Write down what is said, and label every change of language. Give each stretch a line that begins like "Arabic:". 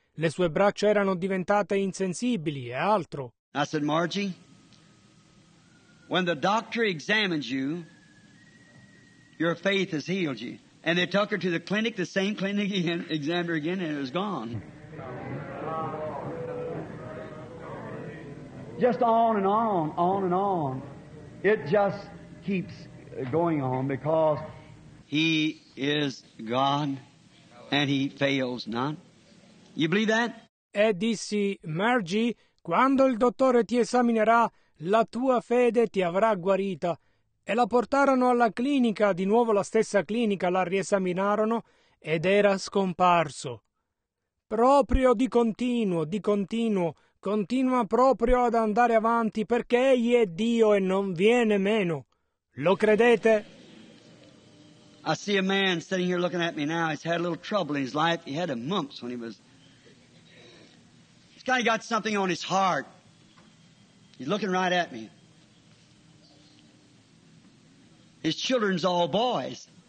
Italian: Le sue braccia erano diventate insensibili e altro.
English: I said, Margie, when the doctor examines you, your faith has healed you. And they took her to the clinic, the same clinic again, examined her again, and it was gone. Just on and on. It just keeps going on because He is God, and He fails not. You believe that?
Italian: E dissi, Margie, quando il dottore ti esaminerà, la tua fede ti avrà guarita. E la portarono alla clinica, di nuovo la stessa clinica, la riesaminarono, ed era scomparso. proprio di continuo, continua proprio ad andare avanti perché Egli è Dio e non viene meno. Lo credete?
English: I see a man sitting here looking at me now. He's had a little trouble in his life. He had a mumps when he was... He's kind of got something on his heart. He's looking right at me. His children's all boys.